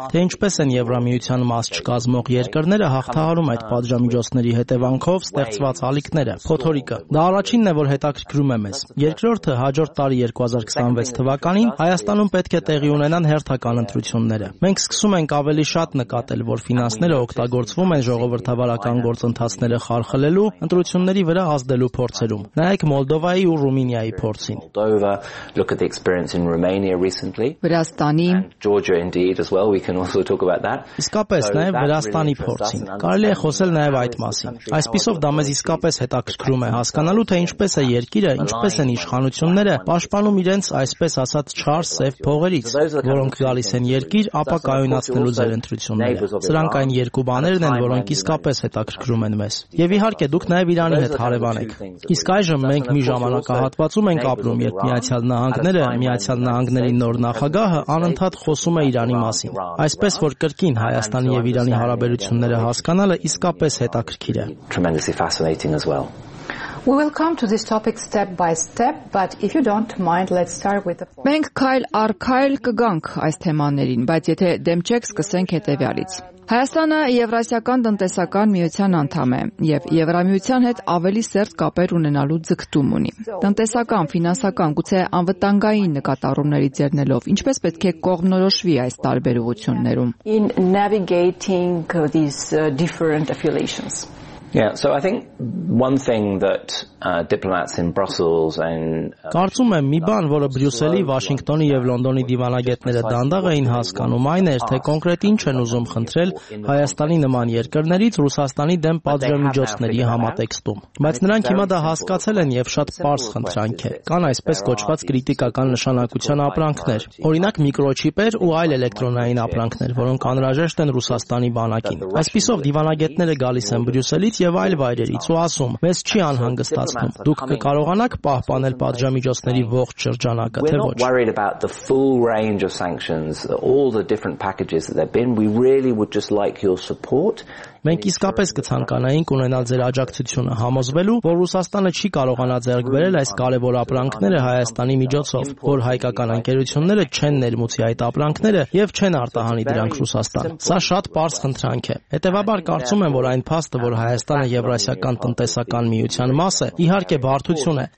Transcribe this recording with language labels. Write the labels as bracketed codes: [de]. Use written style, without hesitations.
[hy] թե ինչպես են Եվրամիության մաս չկազմող երկրները հաղթահարում այդ պատժամիջոցների հետևանքով ստեղծված ալիքները։ Փոթորիկը, դա առաջինն է, որ հետաքրքրում է մեզ։ Երկրորդը, հաջորդ տարի 2026 թվականին Հայաստանում պետք է տեղի ունենան հերթական ընտրությունները։ Մենք սկսում ենք ավելի շատ նկատել, որ ֆինանսները օգտագործվում են ժողովրդավարական գործընթացները խարխլելու, ընտրությունների վրա ազդելու փորձերում։ Նայեք Մոլդովայի ու Ռումինիայի փորձին։ [en] Look at the experience in Romania recently. [hy] Վրաստանի [en] and Georgia indeed as well, we can also talk about that. [hy] Իսկապես, նաև Վրաստանի փորձին։ Կարելի է խոսել նաև այդ մասին։ Այսպիսով դա մեզ իսկապես հետաքրքրում է հասկանալու, թե ինչպես է երկիրը, ինչպես են իշխանությունները պաշտպանում իրենց այսպես ասած չար սև փողերից, որոնք գալիս են երկիր ապակայունացնելու ձեր ընտրությունները։ Սրանք այն երկու բաներն են, որոնք իսկապես հետաքրքրում են մեզ։ Եվ իհարկե դուք նաև Իրանի հետ հարևան եք։ Իսկ այժմ մենք մի ժամանակահատվածում ենք ապրում, երբ Միացյալ Նահանգները, Միացյալ Նահանգների նոր նախագահը անընդհատ խոսում է Իրանի մասին։ Այսպես որ կրկին Հայաստանի եւ Իրանի հարաբերությունները հասկանալը իսկապես հետաքրքիր է։ [en] We will come to this topic step by step, but if you don't mind, let's start with the four. [hy] Մենք քայլ առ քայլ կգանք այս թեմաներին, բայց եթե դեմ չեք, սկսենք հետեւյալից։ Հայաստանը Եվրասիական տնտեսական միության անդամ է եւ Եվրամիության հետ ավելի սերտ կապեր ունենալու ձգտում ունի։ Տնտեսական, ֆինանսական, գուցե անվտանգային նկատառումների ձեռնելով ինչպես պետք է կողմնորոշվի այս տարբերություններում։ [en] In navigating these different affiliations. Yeah, so I think one thing that diplomats in Brussels and [hy] Կարծում եմ մի բան, որը Բրյուսելի, Վաշինգտոնի եւ Լոնդոնի դիվանագետները դանդաղ էին հասկանում, այն էր, թե կոնկրետ ինչ են ուզում խնդրել Հայաստանի նման երկրներից Ռուսաստանի դեմ պատժամիջոցների համատեքստում։ Բայց նրանք հիմա դա հասկացել են եւ շատ պարզ խնդրանք է։ Կան այսպես կոչված կրիտիկական նշանակության ապրանքներ, օրինակ միկրոչիպեր ու այլ էլեկտրոնային ապրանքներ, որոնք անհրաժեշտ են Ռուսաստանի բանակին։ Այսպիսով դիվանագետները գալիս են Բրյուսելից եւ այլ վայրերից ու ասում. «Մեզ չի անհանգստ ստացվում, դուք կկարողանաք պահպանել պատժամիջոցների ողջ շրջանակը, թե ոչ»։ [en] We're worried about the full range of sanctions, all the different packages that they've been. We really would just like your support. [hy] Մենք իսկապես կցանկանայինք ունենալ ձեր աջակցությունը, համոզվելու, որ Ռուսաստանը չի կարողանա ձեռք բերել այս կարևոր ապրանքները Հայաստանի միջոցով, որ հայկական ընկերությունները չեն ներմուծի այդ ապրանքները եւ չեն արտահանի դրանք Ռուսաստան։ Սա շատ պարզ խնդրանք է։ Հետևաբար կարծում եմ, որ այն փաստը, որ Հայաստանը Եվրասիական տնտեսական միության մաս է, իհարկե բարդություն է,